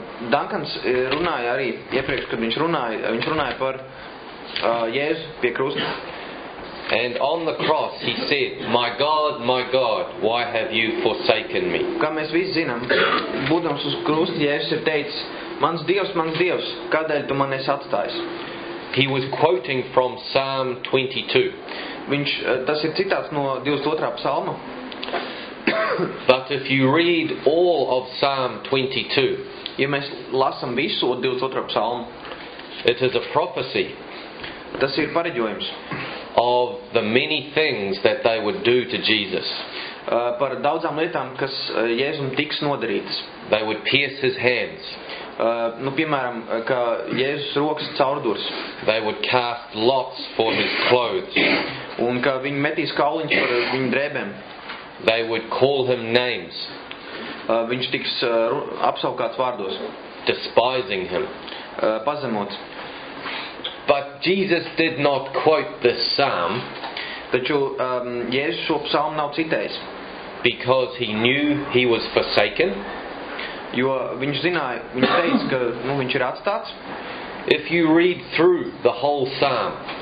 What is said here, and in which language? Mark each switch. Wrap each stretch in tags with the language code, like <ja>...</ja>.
<lv>Duncans runāja arī iepriekš, kad viņš runāja par Jēzu pie krusta.</lv> <en>And on the cross he said, my God, why have you forsaken me?</en> <lv>Kā mēs visi zinām, būdams uz krusta, Jēzus ir teicis, mans Dievs, kādēļ tu man esi atstājis?</lv> <en>He was quoting from Psalm 22.</en> <lv>Viņš, tas ir citāts no 22. Psalma.</lv> <en>But if you read all of Psalm 22,</en> <lv>ja mēs lasam visu 22. Psalmu,</lv> <en>it is a prophecy.</en> <lv>Tas ir pareģojums.</lv> <en>Of the many things that they would do to Jesus.</en> <lv>Par daudzām lietām, kas Jēzum tiks nodarītas.</lv> <en>They would pierce his hands.</en> <lv>Piemēram, ka Jēzus rokas caurdurs.</lv> <en>They would cast lots for his clothes.</en> <lv>Un ka viņi metīs kauliņus par viņu drēbēm.</lv> <en>They would call him names.</en> <lv>Viņš tiks apsaukāts vārdos.</lv> <en>Despising him.</en> <lv>Pazemots.</lv> <en>But Jesus did not quote this psalm.</en> <lv>Taču Jēzus šo psalmu nav citējis.</lv> <en>Because he knew he was forsaken.</en> <lv>Jo viņš zināja, viņš teica, ka viņš ir atstāts.</lv> <en>If you read through the whole psalm.</en>